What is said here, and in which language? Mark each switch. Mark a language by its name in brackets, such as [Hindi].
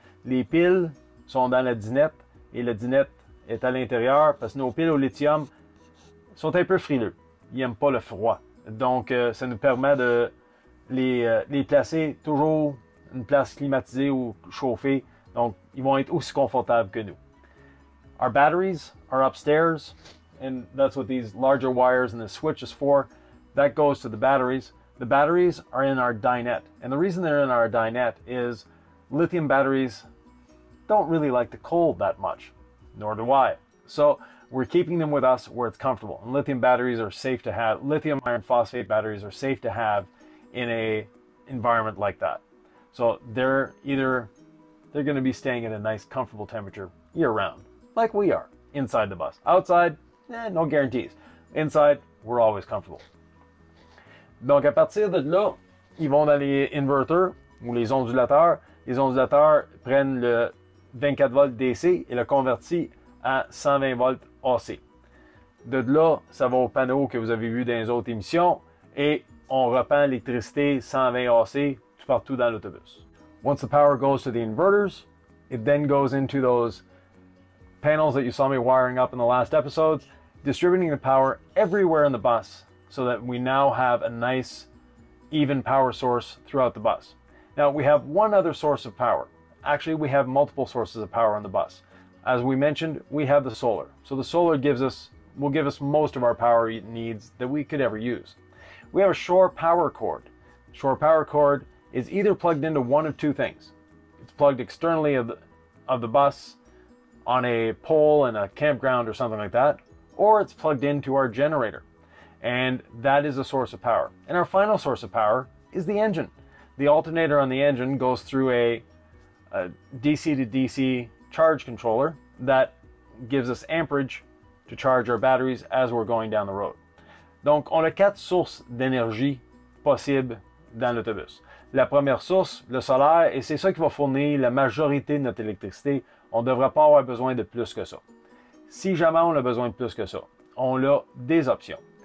[French] Les piles sont dans la dinette et la dinette est à l'intérieur parce que nos piles au lithium sont un peu frileux. Ils n'aiment pas le froid. Donc, ça nous permet de les placer toujours une place climatisée ou chauffée. Donc, ils vont être aussi confortables que nous. [English] Our batteries are upstairs, and that's what these larger wires and the switch is for. That goes to the batteries. The batteries are in our dinette. And the reason they're in our dinette is lithium batteries don't really like the cold that much, nor do I. So, we're keeping them with us where it's comfortable. And lithium batteries are safe to have. Lithium iron phosphate batteries are safe to have in a environment like that. So they're going to be staying at a nice, comfortable temperature year round, like we are inside the bus. Outside, no guarantees. Inside, we're always comfortable. [French] Donc à partir de là, ils vont dans les inverters ou les ondulateurs. les ondulateurs prennent le 24 volts DC et le convertit à 120 volts AC. De là, ça va au panneau que vous avez vu dans les autres émissions et on repend l'électricité 120 AC tout partout dans l'autobus. [English] Once the power goes to the inverters, it then goes into those panels that you saw me wiring up in the last episodes, distributing the power everywhere in the bus so that we now have a nice, even power source throughout the bus. Now, we have one other source of power. Actually, we have multiple sources of power on the bus. As we mentioned, we have the solar. So the solar will give us most of our power needs that we could ever use. We have a shore power cord. Shore power cord is either plugged into one of two things. It's plugged externally of the bus on a pole in a campground or something like that, or it's plugged into our generator. And that is a source of power. And our final source of power is the engine. The alternator on the engine goes through a DC to DC charge controller that gives us amperage to charge our batteries as we're going down the road. [French] Donc, on a quatre sources d'énergie possibles dans l'autobus. La première source, le solaire, et c'est ça qui va fournir la majorité de notre électricité. On ne devrait pas avoir besoin de plus que ça. Si jamais on a besoin de plus que ça, on a des options.